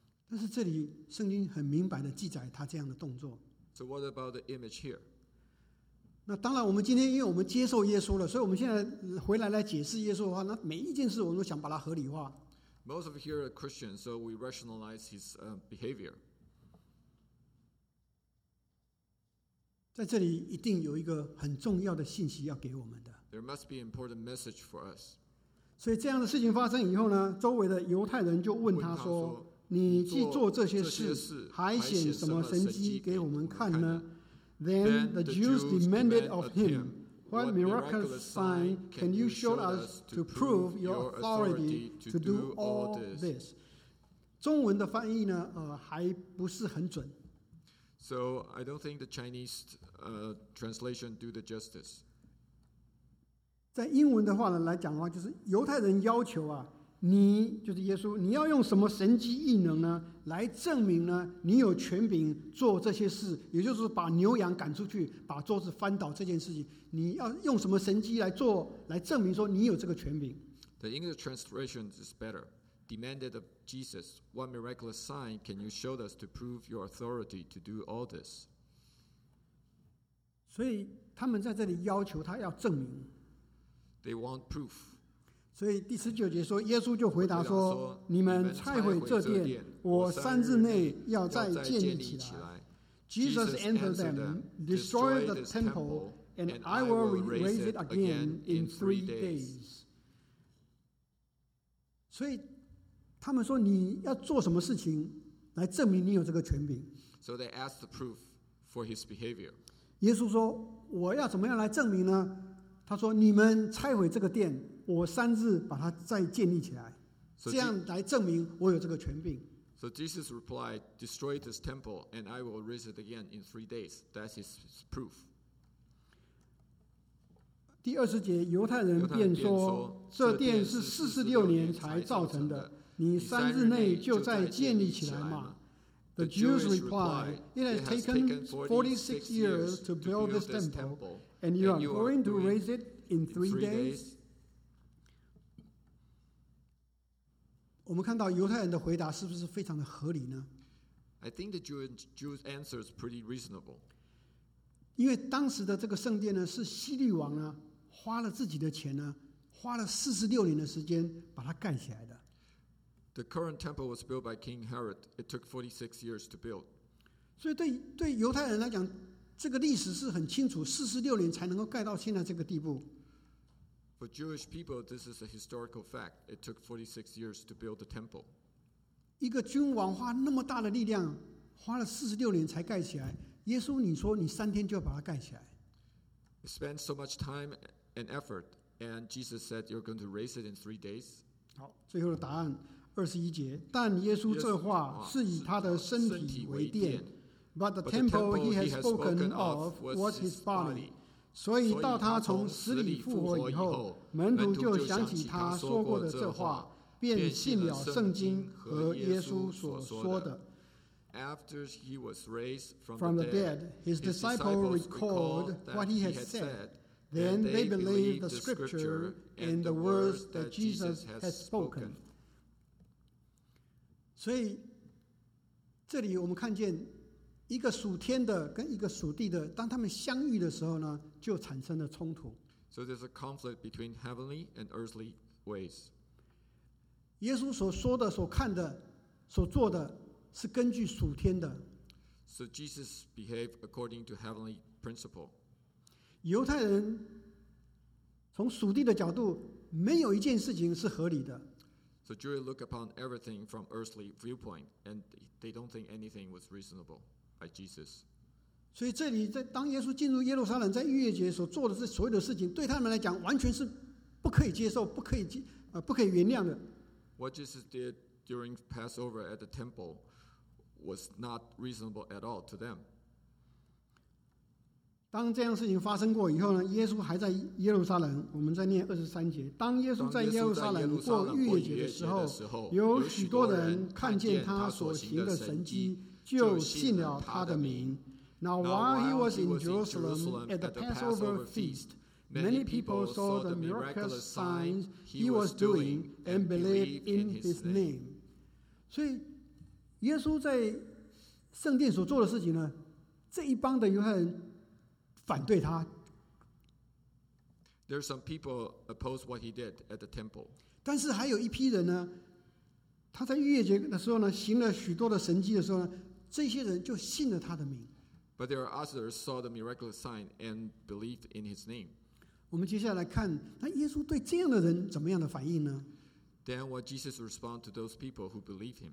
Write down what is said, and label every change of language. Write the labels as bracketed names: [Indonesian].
[Chinese] 但是这里圣经很明白的记载他这样的动作。 [English] So what about the image here? [Chinese] 那当然我们今天因为我们接受耶稣了，所以我们现在回来来解释耶稣的话，那每一件事我们都想把它合理化。 [English] Most of here are Christians, so we rationalize his behavior。 [Chinese] 在这里一定有一个很重要的信息要给我们的。 [English] There must be important message for us。 [Chinese] 所以这样的事情发生以后呢，周围的犹太人就问他说：“ 你既做这些事，还显什么神迹给我们看呢 [English] ？”Then the Jews demanded of him, "What miraculous sign can you show us to prove your authority to do all this?" [Chinese] 中文的翻译呢，还不是很准。 [English] So I don't think the Chinese translation do the justice. [Chinese] 在英文的话呢来讲的话，就是犹太人要求啊，你就是耶稣，你要用什么神迹异能呢，来证明呢你有权柄做这些事，也就是把牛羊赶出去，把桌子翻倒这件事情，你要用什么神迹来做，来证明说你有这个权柄。 [English] The English translation is better. Demanded of Jesus, what miraculous sign can you show us to prove your authority to do all this? [Chinese] 所以他们在这里要求他要证明。 [English] They want proof. [Chinese] 所以第十九节说，耶稣就回答说：“ 你们拆毁这殿，我三日内要再建立起来。” Jesus [English] answered them, "Destroy the temple, and I will raise it again in three days." [Chinese] 所以。他们说你要做什么事情来证明你有这个权柄。 [English] So they asked the proof for his behavior. [Chinese] 耶稣说我要怎么样来证明呢，他说你们拆毁这个殿，我三日把它再建立起来，这样来证明我有这个权柄。 [English] So Jesus replied, destroy this temple and I will raise it again in three days. That's his proof. [Chinese] 第二十节犹太人便说，这殿是四十六年才造成的，你三日内就再建立起来嘛。 [English] The Jews replied, it has taken 46 years to build this temple, and you are going to raise it in three days? [Chinese] 我们看到犹太人的回答是不是非常的合理呢？ [English] I think the Jews' answer is pretty reasonable. [Chinese] 因为当时的这个圣殿呢，是希律王呢，花了自己的钱呢，花了46年的时间把它盖起来的。 [English] The current temple was built by King Herod. It took 46 years to build. [Chinese] 所以对犹太人来讲，这个历史是很清楚，46年才能够盖到现在这个地步。 [English] For Jewish people, this is a historical fact. It took 46 years to build the temple. [Chinese] 一个君王花那么大的力量，花了46年才盖起来。耶稣，你说你三天就要把它盖起来。 [English] He spent so much time and effort, and Jesus said you're going to raise it in three days. [Chinese] 好，最后的答案。二十一节，但耶稣这话是以他的身体为殿 [English] ，but the temple he has spoken of was his body。 [Chinese] 所以到他从死里复活以后，门徒就想起他说过的这话，便信了圣经和耶稣所说的。 [English] After he was raised from the dead, his disciples recalled what he had said. Then they believed the scripture and the words that Jesus had spoken. [Chinese] 所以这里我们看见一个属天的跟一个属地的，当他们相遇的时候呢，就产生了冲突。 [English] So there's a conflict between heavenly and earthly ways. [Chinese] 耶稣所说的所看的所做的是根据属天的。 [English] So Jesus behaved according to heavenly principle. [Chinese] 犹太人从属地的角度没有一件事情是合理的。 [English] So Jews look upon everything from earthly viewpoint, and they don't think anything was reasonable by Jesus. [Chinese] 所以这里在当耶稣进入耶路撒冷，在逾越节所做的这所有的事情，对他们来讲完全是可以接受、不可以不可以原谅的。 [English] What Jesus did during Passover at the temple was not reasonable at all to them. [Chinese] 当这样事情发生过以后呢，耶稣还在耶路撒冷。我们在念二十三节，当耶稣在耶路撒冷过逾越节的时候，有许多人看见他所行的神迹，就信了他的名。 [English] Now while he was in Jerusalem at the Passover feast, many people saw the miraculous signs he was doing and believed in his name. [Chinese] 所以耶稣在圣殿所做的事情呢，这一帮的犹太人反对他。 [English] There are some people opposed what he did at the temple. [Chinese] 但是还有一批人呢，他在逾越节的时候呢，行了许多的神迹的时候呢，这些人就信了他的名。 [English] But there are others saw the miraculous sign and believed in his name. [Chinese] 我们接下来看，那耶稣对这样的人怎么样的反应呢？ [English] Then what Jesus responded to those people who believed him?